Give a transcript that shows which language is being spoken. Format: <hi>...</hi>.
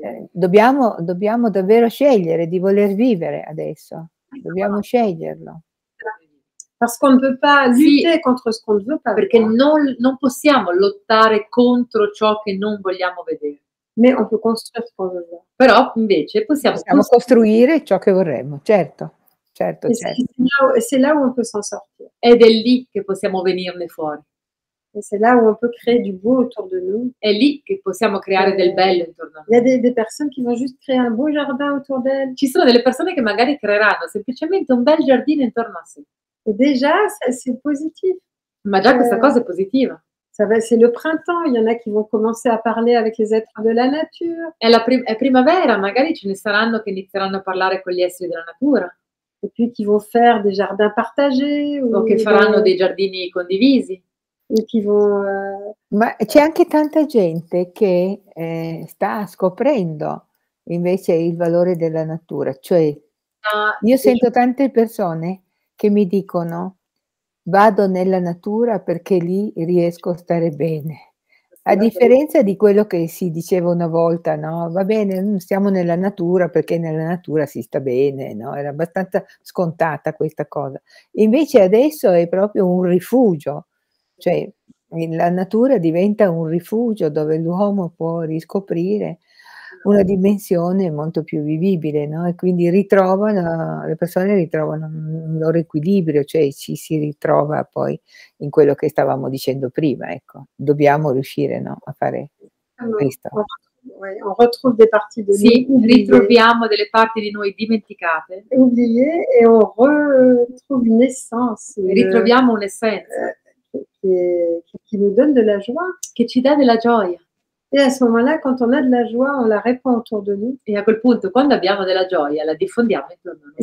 <it>Dobbiamo davvero scegliere di voler vivere adesso, dobbiamo sceglierlo.</it> <fr>Parce qu'on ne peut pas lutter contre ce qu'on ne veut pas.</fr> <it>Perché non possiamo lottare contro ciò che non vogliamo vedere.</it> <fr>Mais on peut construire ce qu'on veut.</fr> <it>Però invece possiamo costruire ciò che vorremmo, certo. Certo.</it> <fr>Et c'est là où on peut s'en sortir.</fr> <it>Ed è lì che possiamo venirne fuori.</it> <fr>Et c'est là où on peut créer du beau autour de nous.</fr> <it>È lì che possiamo creare del bello intorno a noi.</it> <fr>Il y a des personnes qui vont juste créer un beau jardin autour d'elles.</fr> <it>Ci sono delle persone che magari creeranno semplicemente un bel giardino intorno a sé.</it> <fr>Déjà, c'est positif. Mais déjà, cette chose est positive. Ça va, c'est le printemps. Il y en a qui vont commencer à parler avec les êtres de la nature.</fr> <it>Et la primavera, magari ce ne saranno che inizieranno a parlare con gli esseri della natura.</it> <fr>Et puis qui vont faire des jardins partagés.</fr> <it>O che faranno dei giardini condivisi.</it> <fr>E qui vont.</fr> <it>Ma c'è anche tanta gente che sta scoprendo invece il valore della natura. Cioè, io sento tante persone che mi dicono, vado nella natura perché lì riesco a stare bene. A differenza di quello che si diceva una volta, no? Va bene, stiamo nella natura perché nella natura si sta bene, no? Era abbastanza scontata questa cosa. Invece adesso è proprio un rifugio, cioè la natura diventa un rifugio dove l'uomo può riscoprire una dimensione molto più vivibile, no? E quindi ritrovano, le persone ritrovano un loro equilibrio, cioè ci si ritrova poi in quello che stavamo dicendo prima, ecco. Dobbiamo riuscire, no, a fare questo.</it> <fr>On retrouve des parties de</fr> <it>noi, ritroviamo delle parti di noi dimenticate.</it> <fr>Oublié et on retrouve une essence.</fr> <it>Ritroviamo un'essenza</it> <fr>qui nous donne de la joie,</fr> <it>che ci dà della gioia.</it> <fr>Et à ce moment-là, quand on a de la joie, on la répand autour de nous. Et à quel point, quand</fr> <it>abbiamo della gioia, la diffondiamo intorno a noi.</it>